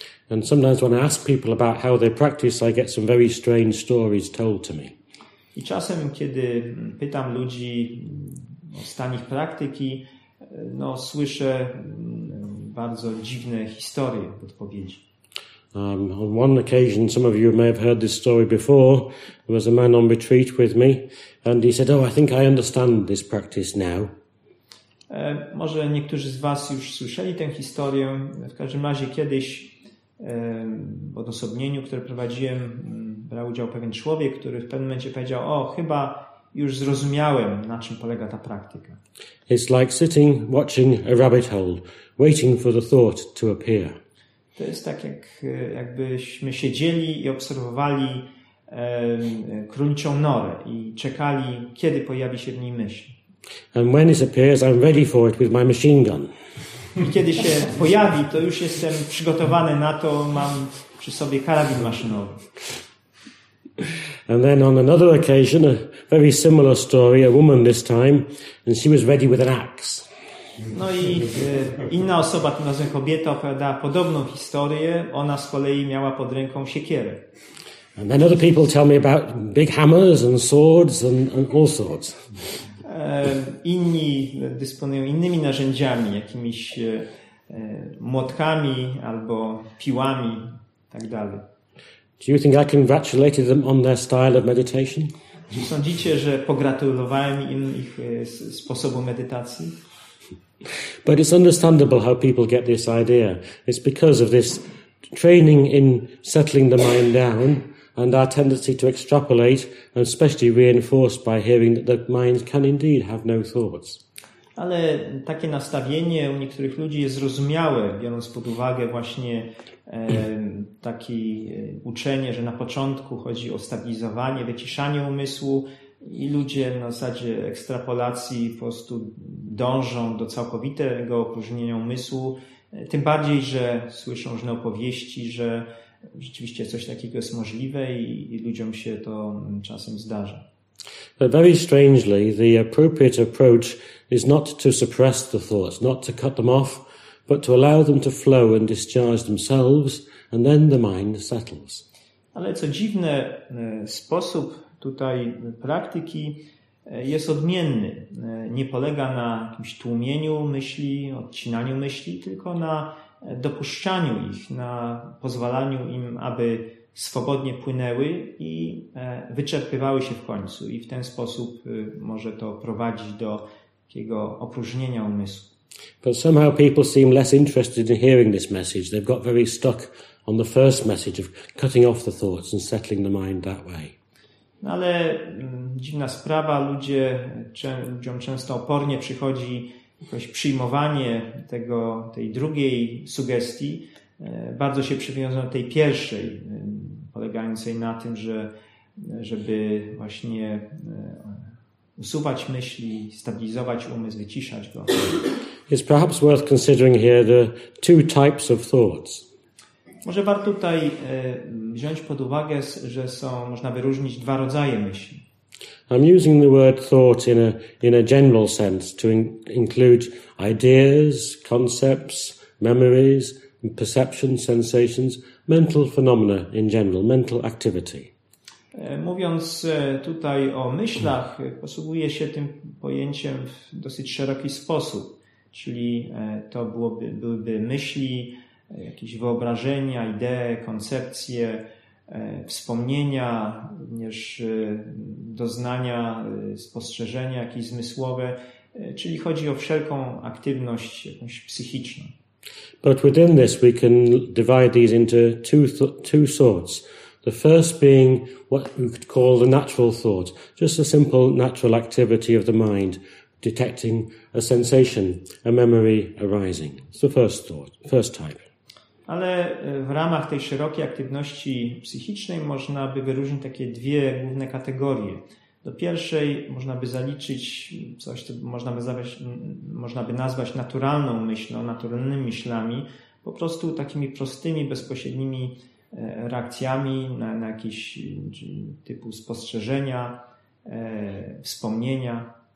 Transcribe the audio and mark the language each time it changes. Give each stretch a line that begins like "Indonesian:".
English: And sometimes when I ask people about how they practice, I get some very strange stories told to me.
Polish: I czasem, kiedy pytam ludzi o stan ich praktyki, no słyszę bardzo dziwne historie w odpowiedzi.
English: On one occasion, some of you may have heard this story before, there was a man on retreat with me and he said, oh, I think I understand this practice now.
Polish: Może niektórzy z was już słyszeli tę historię. W każdym razie kiedyś w odosobnieniu, które prowadziłem, brał udział pewien człowiek, który w pewnym momencie powiedział, o, chyba już zrozumiałem, na czym polega ta praktyka.
English: It's like sitting watching a rabbit hole, waiting for the thought to appear.
Polish: To jest tak, jakbyśmy siedzieli i obserwowali króliczą norę i czekali, kiedy pojawi się w niej myśl.
English: And when it appears, I'm ready for it with my machine gun.
Polish: I kiedy się pojawi, to już jestem przygotowany na to, mam przy sobie karabin maszynowy.
English: And then on another occasion, a very similar story, a woman this time, and she was ready with an axe.
Polish: No i inna osoba, tym razem kobieta, opowiada podobną historię. Ona z kolei miała pod ręką siekierę.
English: And then other people tell me about big hammers and swords and all sorts.
Polish: Inni dysponują innymi narzędziami, jakimiś młotkami albo piłami tak dalej.
English: Do you think I congratulated them on their style of meditation?
Polish: Czy sądzicie, że pogratulowałem im ich sposobu medytacji?
English: But it's understandable how people get this idea. It's because of this training in settling the mind down and our tendency to extrapolate, and especially reinforced by hearing that the mind can indeed have no thoughts.
Polish: Ale takie nastawienie u niektórych ludzi jest zrozumiałe, biorąc pod uwagę właśnie takie uczenie, że na początku chodzi o stabilizowanie, wyciszanie umysłu i ludzie na zasadzie ekstrapolacji po prostu dążą do całkowitego opróżnienia umysłu. Tym bardziej, że słyszą różne opowieści, że rzeczywiście coś takiego jest możliwe i ludziom się to czasem zdarza.
English: But very strangely, the appropriate approach is not to suppress the thoughts, not to cut them off, but to allow them to flow and discharge themselves, and then the mind settles.
Polish: Ale co dziwne, sposób tutaj praktyki jest odmienny. Nie polega na jakimś tłumieniu myśli, odcinaniu myśli, tylko na dopuszczaniu ich, na pozwalaniu im, aby swobodnie płynęły i wyczerpywały się w końcu. I w ten sposób może to prowadzić do takiego opróżnienia umysłu.
English: But somehow people seem less interested in hearing this message. They've got very stuck on the first message of cutting off the thoughts and settling the mind that way.
Polish: No ale dziwna sprawa, ludziom często opornie przychodzi jakoś przyjmowanie tej drugiej sugestii. Bardzo się przywiązują do tej pierwszej, polegającej na tym, żeby właśnie usuwać myśli, stabilizować umysł, wyciszać go.
English: It's perhaps worth considering here the two types of thoughts.
Polish: Może warto tutaj wziąć pod uwagę, że są, można wyróżnić dwa rodzaje myśli.
English: I'm using the word thought in a general sense to include ideas, concepts, memories, perceptions, sensations, mental phenomena in general, mental activity.
Polish: Mówiąc tutaj o myślach, posługuje się tym pojęciem w dosyć szeroki sposób, czyli to byłyby myśli, jakieś wyobrażenia, idee, koncepcje, wspomnienia, również doznania, spostrzeżenia jakieś zmysłowe, czyli chodzi o wszelką aktywność jakąś psychiczną.
English: But within this we can divide these into two sorts. The first being what we could call the natural thought, just a simple natural activity of the mind, detecting a sensation, a memory arising. It's the first thought, first type.
Polish: Ale w ramach tej szerokiej aktywności psychicznej można by wyróżnić takie dwie główne kategorie. Do pierwszej można by zaliczyć coś, co można by nazwać naturalną myślą, naturalnymi myślami, po prostu takimi prostymi, bezpośrednimi reakcjami na jakieś typu spostrzeżenia, wspomnienia.